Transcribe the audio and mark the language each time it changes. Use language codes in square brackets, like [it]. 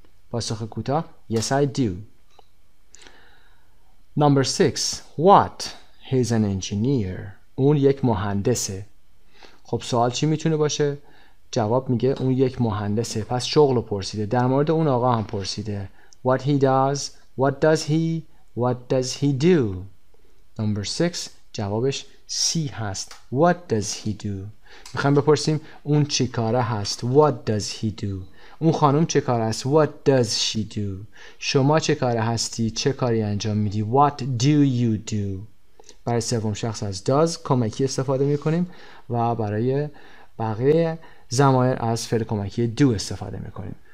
[fa] پاسخ کوتاه [en] Yes, I do. Number 6. What? He's an engineer. [fa] اون یک مهندسه. خب سوال چی میتونه باشه؟ جواب میگه اون یک مهندسه. پس شغل رو پرسیده، در مورد اون آقا هم پرسیده. [en] What he does, what does he, what does he do. Number 6 [fa] جوابش C هست. [en] What does he do. [fa] میخوایم بپرسیم اون چی کاره هست. [en] What does he do. [fa] اون خانم چه کاره هست. [en] What does she do. [fa] شما چه کاره هستی، چه کاری انجام میدی. [en] What do you do. [fa] برای سوم شخص از does کمکی استفاده میکنیم و برای بقیه زمایر از فعل کمکی do استفاده میکنیم.